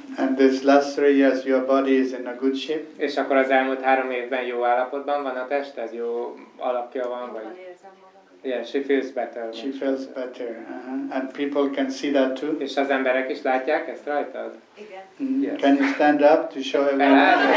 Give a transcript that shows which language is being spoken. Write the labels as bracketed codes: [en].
[en] And this last 3 years your body is in a good shape? [hu] És akkor az elmúlt 3 évben jó állapotban van a tested? Jó alakja van? Jobban érzem magam. [en] Yeah, she feels better. She feels better. Uh-huh. And people can see that too? És az emberek is látják ezt rajtad? [hu] Igen. [en] Yes. Can you stand up to show everyone?